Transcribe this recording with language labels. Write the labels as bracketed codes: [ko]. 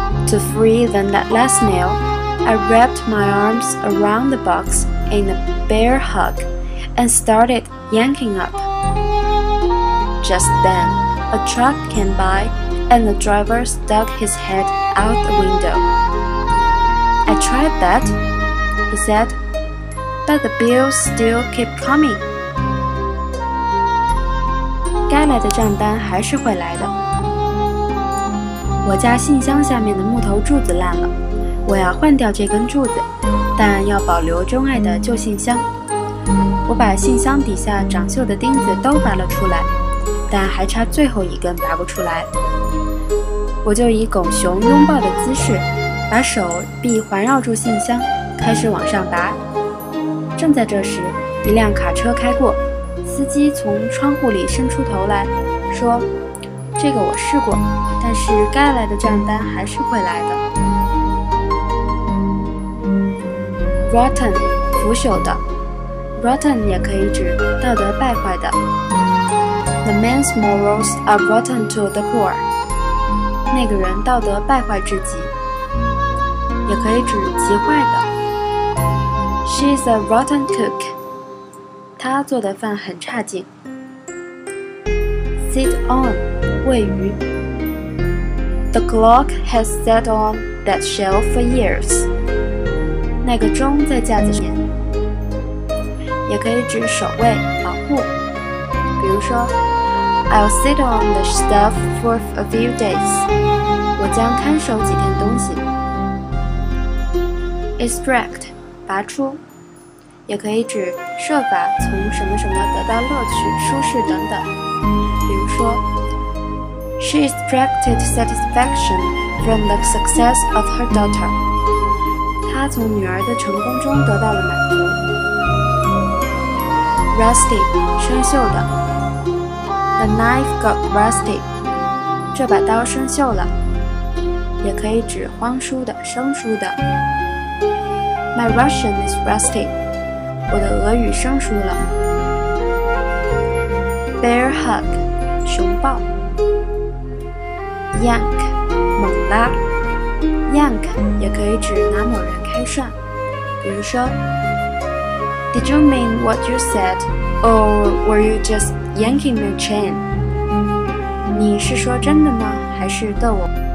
[en] To free the last nail, I wrapped my arms around the box in a bear hug and started yanking up. Just then, a truck came by and the driver stuck his head out the window. I tried that. He said, but the bills still keep coming. [zh] 该来的账单还是会来的。我家信箱下面的木头柱子烂了，我要换掉这根柱子，但要保留钟爱的旧信箱。我把信箱底下长锈的钉子都拔了出来，但还差最后一根拔不出来。我就以狗熊拥抱的姿势，把手臂环绕住信箱开始往上拔。正在这时，一辆卡车开过，司机从窗户里伸出头来说，这个我试过，但是该来的账单还是会来的。 Rotten 腐朽的， Rotten 也可以指道德败坏的。 [en] The man's morals are rotten to the core， [zh] 那个人道德败坏至极，也可以指极坏的。 [en] She's a rotten cook. [zh] 她做的饭很差劲。 Sit on, 位于。 [en] The clock has sat on that shelf for years. [zh] 那个钟在架子上。也可以指守卫、保护。比如说 [en] ,I'll sit on the stuff for a few days. [zh] 我将看守几天东西。 Extract, 拔出。也可以指设法从什么什么得到乐趣、舒适等等。比如说 [en] ，She extracted satisfaction from the success of her daughter. [zh] 她从女儿的成功中得到了满足。 [en] Rusty, [zh] 生锈的。 [en] The knife got rusty. [zh] 这把刀生锈了。也可以指荒疏的、生疏的。 [en] My Russian is rusty. [zh] 我的俄语生疏了。 [en] Bear hug, [zh] 熊抱。 [en] Yank, [zh] 猛拉。 Yank 也可以指拿某人开涮。比如说 [en] ，Did you mean what you said, or were you just yanking my chain? [zh] 你是说真的吗？还是逗我？